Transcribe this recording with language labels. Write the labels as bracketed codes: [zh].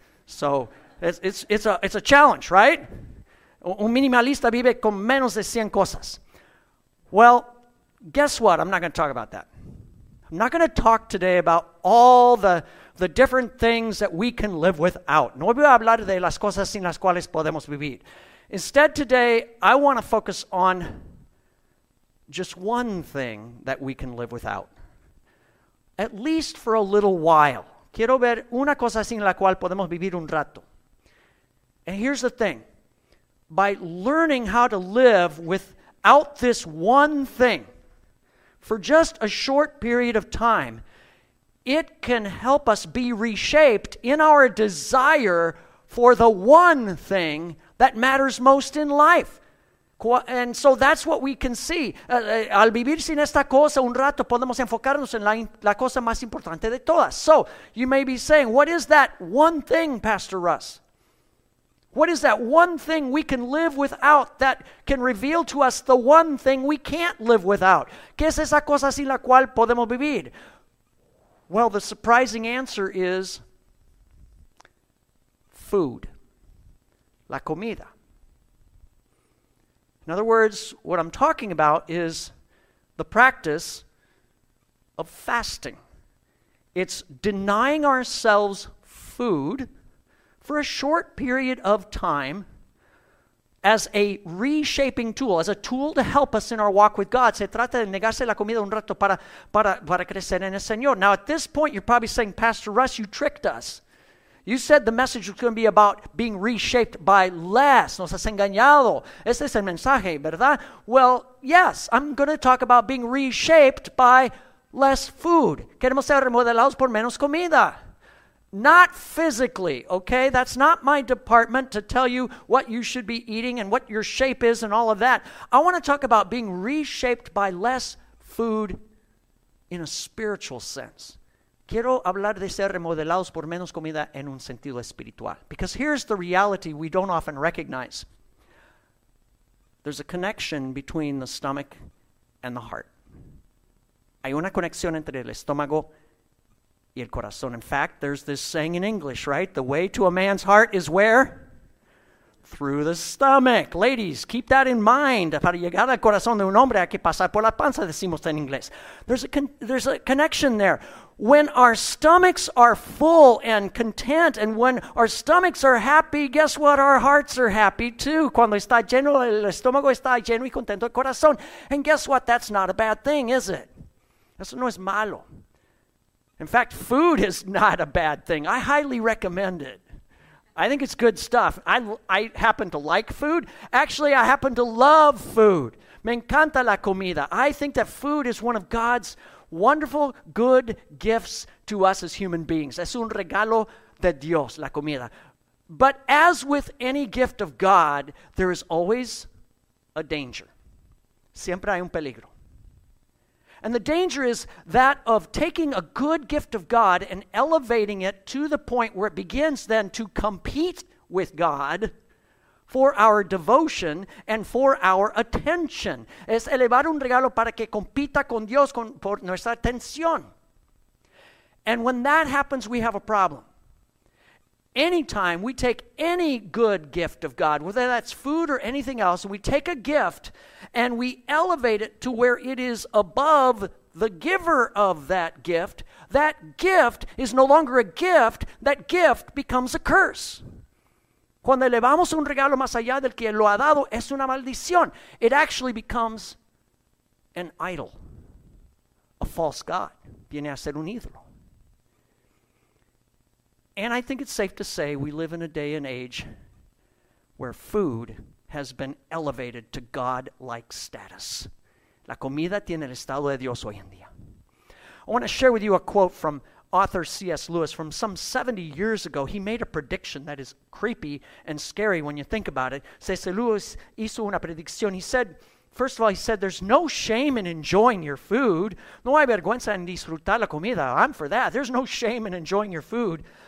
[en] So it's a challenge, right? [es] Un minimalista vive con menos de 100 cosas. [en] Well, guess what? I'm not going to talk about that. I'm not going to talk today about all the different things that we can live without. [es] No voy a hablar de las cosas sin las cuales podemos vivir. [en] Instead, today, I want to focus on just one thing that we can live without, at least for a little while. [es] Quiero ver una cosa sin la cual podemos vivir un rato. [en] And here's the thing. By learning how to live without this one thing for just a short period of time, it can help us be reshaped in our desire for the one thing that matters most in life. And so that's what we can see. [es] Al vivir sin esta cosa un rato, podemos enfocarnos en la cosa más importante de todas. [en] So, you may be saying, what is that one thing, Pastor Russ? What is that one thing we can live without that can reveal to us the one thing we can't live without? [es] ¿Qué es esa cosa sin la cual podemos vivir? [en] Well, the surprising answer is food. [es] La comida. [en] In other words, what I'm talking about is the practice of fasting. It's denying ourselves food for a short period of time as a reshaping tool, as a tool to help us in our walk with God. [es] Se trata de negarse la comida un rato para crecer en el Señor. [en] Now, at this point, you're probably saying, Pastor Russ, you tricked us. You said the message was going to be about being reshaped by less. [es] Nos has engañado. Ese es el mensaje, ¿verdad? [en] Well, yes, I'm going to talk about being reshaped by less food. [es] Queremos ser remodelados por menos comida. [en] Not physically, okay? That's not my department to tell you what you should be eating and what your shape is and all of that. I want to talk about being reshaped by less food in a spiritual sense. [es] Quiero hablar de ser remodelados por menos comida en un sentido espiritual. [en] Because here's the reality we don't often recognize. There's a connection between the stomach and the heart. [es] Hay una conexión entre el estómago y el corazón. [en] In fact, there's this saying in English, right? The way to a man's heart is where? Through the stomach. Ladies, keep that in mind. [es] Para llegar al corazón de un hombre hay que pasar por la panza, decimos en inglés. [en] There's a connection there. When our stomachs are full and content, and when our stomachs are happy, guess what? Our hearts are happy too. [es] Cuando está lleno, el estómago está lleno y contento el corazón. [en] And guess what? That's not a bad thing, is it? [es] Eso no es malo. [en] In fact, food is not a bad thing. I highly recommend it. I think it's good stuff. I happen to like food. Actually, I happen to love food. [es] Me encanta la comida. [en] I think that food is one of God's wonderful, good gifts to us as human beings. [es] Es un regalo de Dios, la comida. [en] But as with any gift of God, there is always a danger. [es] Siempre hay un peligro. [en] And the danger is that of taking a good gift of God and elevating it to the point where it begins then to compete with God for our devotion and for our attention. [es] Es elevar un regalo para que compita con Dios por nuestra atención. [en] And when that happens, we have a problem. Anytime we take any good gift of God, whether that's food or anything else, we take a gift and we elevate it to where it is above the giver of that gift, that gift is no longer a gift, that gift becomes a curse. [es] Cuando elevamos un regalo más allá del que lo ha dado, es una maldición. [en] It actually becomes an idol, a false god. [es] Viene a ser un ídolo. [en] And I think it's safe to say we live in a day and age where food has been elevated to God-like status. [es] La comida tiene el estado de Dios hoy en día. [en] I want to share with you a quote from author C.S. Lewis from some 70 years ago. He made a prediction that is creepy and scary when you think about it. C.S. Lewis [es] hizo una predicción. [en] He said, there's no shame in enjoying your food. [es] No hay vergüenza en disfrutar la comida. [en] I'm for that. There's no shame in enjoying your food.